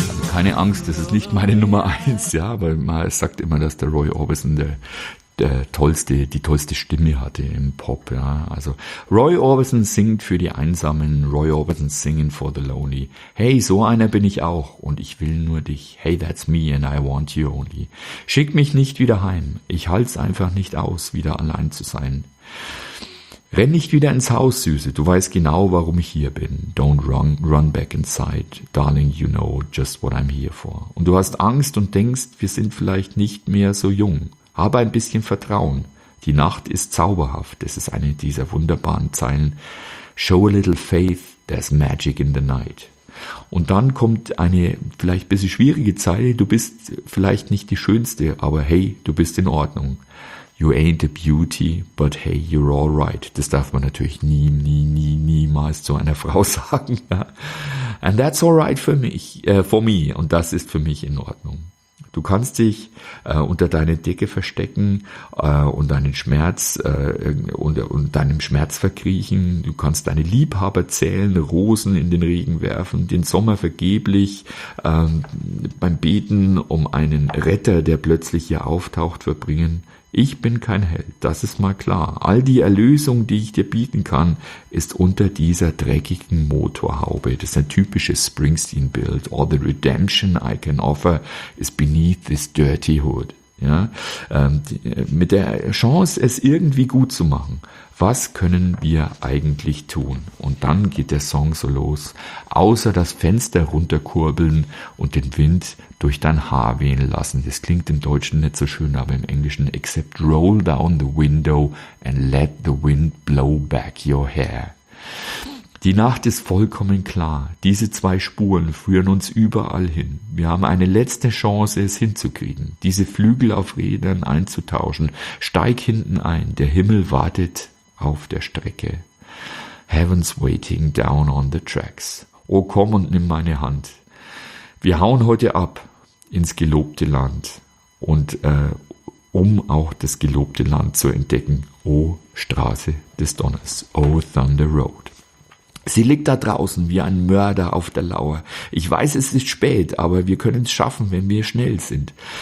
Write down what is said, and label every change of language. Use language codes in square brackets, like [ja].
[de] Keine Angst, das ist nicht meine Nummer 1, ja, weil man sagt immer, dass der Roy Orbison die tollste Stimme hatte im Pop, ja. Also Roy Orbison singt für die Einsamen, [en] Roy Orbison singing for the lonely. [de] Hey, so einer bin ich auch und ich will nur dich. [en] Hey, that's me and I want you only. [de] Schick mich nicht wieder heim, ich halt's einfach nicht aus, wieder allein zu sein. Renn nicht wieder ins Haus, Süße, du weißt genau, warum ich hier bin. [en] Don't run back inside, darling, you know just what I'm here for. [de] Und du hast Angst und denkst, wir sind vielleicht nicht mehr so jung. Habe ein bisschen Vertrauen. Die Nacht ist zauberhaft, das ist eine dieser wunderbaren Zeilen. [en] Show a little faith, there's magic in the night. [de] Und dann kommt eine vielleicht ein bisschen schwierige Zeile, du bist vielleicht nicht die Schönste, aber hey, du bist in Ordnung. [en] You ain't a beauty, but hey, you're all right. [de] Das darf man natürlich nie, nie, nie, niemals zu einer Frau sagen. [en] And that's all right for me. [de] Und das ist für mich in Ordnung. Du kannst dich unter deine Decke verstecken und deinen Schmerz und deinem Schmerz verkriechen. Du kannst deine Liebhaber zählen, Rosen in den Regen werfen, den Sommer vergeblich beim Beten um einen Retter, der plötzlich hier auftaucht, verbringen. Ich bin kein Held, das ist mal klar. All die Erlösung, die ich dir bieten kann, ist unter dieser dreckigen Motorhaube. Das ist ein typisches Springsteen-Bild. [en] All the redemption I can offer is beneath this dirty hood. [de] Ja? Mit der Chance, es irgendwie gut zu machen. Was können wir eigentlich tun? Und dann geht der Song so los. Außer das Fenster runterkurbeln und den Wind durch dein Haar wehen lassen. Das klingt im Deutschen nicht so schön, aber im Englischen. [en] Except roll down the window and let the wind blow back your hair. [de] Die Nacht ist vollkommen klar. Diese 2 Spuren führen uns überall hin. Wir haben eine letzte Chance, es hinzukriegen. Diese Flügel auf Rädern einzutauschen. Steig hinten ein. Der Himmel wartet auf der Strecke. [en] Heaven's waiting down on the tracks. [de] Oh, komm und nimm meine Hand. Wir hauen heute ab ins gelobte Land. Und um auch das gelobte Land zu entdecken. Oh, Straße des Donners. Oh, Thunder Road. Sie liegt da draußen wie ein Mörder auf der Lauer. Ich weiß, es ist spät, aber wir können es schaffen, wenn wir schnell sind.